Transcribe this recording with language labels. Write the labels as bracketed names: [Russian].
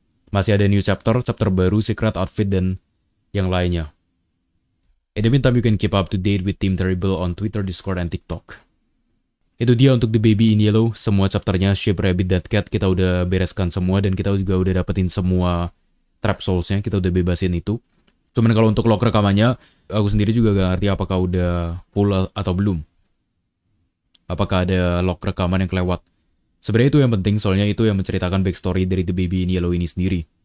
[Indonesian] Masih ada new chapter, chapter baru, secret outfit, dan yang lainnya. [English] In the meantime, you can keep up to date with Team Terrible on Twitter, Discord, and TikTok. [Indonesian] Itu dia untuk The Baby in Yellow. Semua chapternya, Shape Rabbit, Dead Cat, kita udah bereskan semua. Dan kita juga udah dapetin semua trap souls-nya. Kita udah bebasin itu. Cuman kalau untuk log rekamannya, aku sendiri juga gak ngerti apakah udah full atau belum. Apakah ada log rekaman yang kelewat. Sebenarnya itu yang penting, soalnya itu yang menceritakan backstory dari The Baby in Yellow ini sendiri.